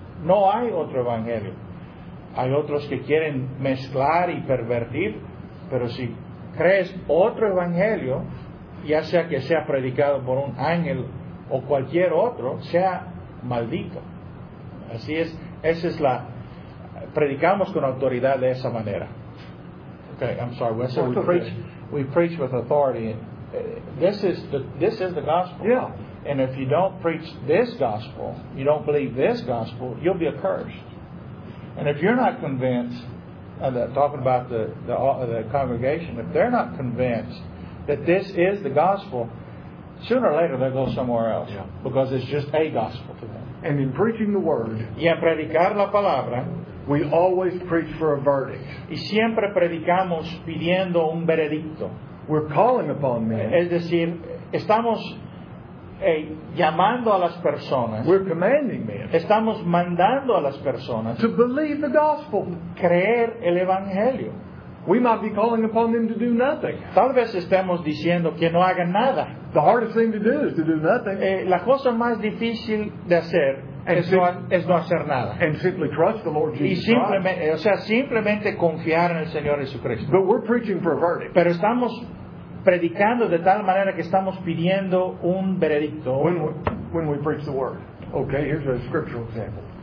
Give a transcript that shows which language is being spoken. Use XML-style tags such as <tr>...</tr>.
<es>No hay otro evangelio. Hay otros que quieren mezclar y pervertir, pero si crees otro evangelio, ya sea que sea predicado por un ángel o cualquier otro, sea maldito. Así es, esa es la, predicamos con autoridad de esa manera.</es> <en>Okay, I'm sorry, we said we preach with authority. This is the gospel. Yeah. And if you don't preach this gospel, you don't believe this gospel, you'll be accursed. And if you're not convinced, talking about the congregation, if they're not convinced that this is the gospel, sooner or later they'll go somewhere else. Yeah. Because it's just a gospel to them. And in preaching the word,</en> <es>y en predicar la palabra,</es> <en>we always preach for a verdict.</en> <es>Y siempre predicamos pidiendo un veredicto.</es> <en>We're calling upon men.</en> <es>Es decir, estamos llamando a las personas.</es> <en>We're commanding men.</en> <es>Estamos mandando a las personas</es> <en>to believe the gospel,</en> <es>creer el evangelio.</es> <en>We might be calling upon them to do nothing.</en> <es>Tal vez estemos diciendo que no hagan nada.</es> <en>The hardest thing to do is to do nothing.</en> <es>La cosa más difícil de hacer es no hacer nada.</es> <en>And simply trust the Lord Jesus.</en> <es>Y simplemente, o sea, simplemente confiar en el Señor Jesucristo.</es> <en>But we're preaching for a verdict.</en> <es>Pero estamos predicando de tal manera que estamos pidiendo un veredicto.</es> <en>When we preach the word. Okay, here's a scriptural example.</en>